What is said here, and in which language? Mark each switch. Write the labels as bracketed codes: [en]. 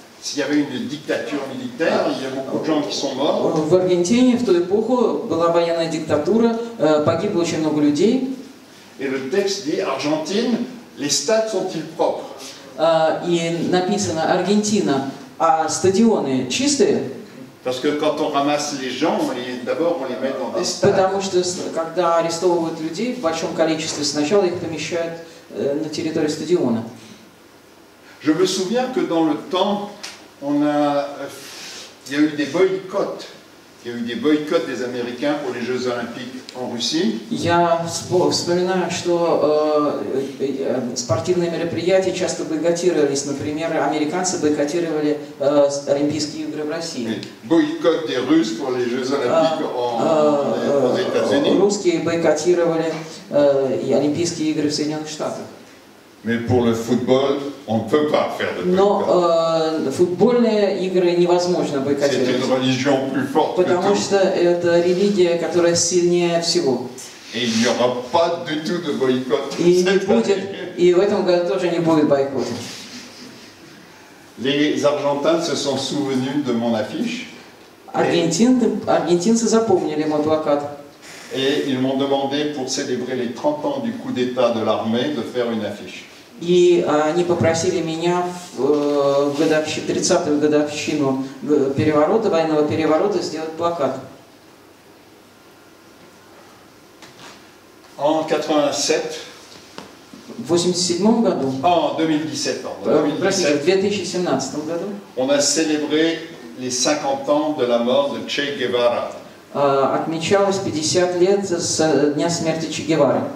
[fr] S'il y avait une dictature militaire, il y a beaucoup de gens qui sont morts. [ru] В Аргентине в ту эпоху была военная диктатура, погибло очень много людей. [fr] Et le texte dit Argentine, les stades sont-ils propres? [ru] И написано Аргентина, а стадионы чистые? [fr] Parce que quand on ramasse les gens, d'abord on les met dans des stades. [ru] Потому что когда арестовывают людей в большом количестве, сначала их помещают на территорию стадиона. [fr] Je me souviens que dans le temps, il y a eu des boycotts. Il y a eu des boycotts des Américains pour les Jeux Olympiques en Russie. [ru] Я вспоминаю, что спортивные мероприятия часто бойкотировались. Например, американцы бойкотировали Олимпийские игры в России. [fr] Boycott des Russes pour les Jeux Olympiques aux États-Unis. [ru] Русские бойкотировали и Олимпийские игры в Соединенных Штатах. [fr] Mais pour le football, on ne peut pas faire de boycott. [ru] Но футбольные игры невозможно бойкотировать. [fr] C'est une religion plus forte que tout. [ru] Потому что это религия, которая сильнее всего. [fr] Et il n'y aura pas du tout de boycott. [ru] И не будет. И в этом году тоже не будет бойкота. [fr] Les Argentins se sont souvenus de mon affiche. [ru] Аргентинцы запомнили мой плакат. [fr] Et ils m'ont demandé pour célébrer les 30 ans du coup d'État de l'armée de faire une affiche. [ru] И они попросили меня в 30-ю годовщину переворота, военного переворота сделать плакат. [fr] En 87, [ru] В 87 году. А, 2017 году. [fr] On a célébré les 50 ans de la mort de Che Guevara. [ru] Отмечалось 50 лет с дня смерти Че Гевары.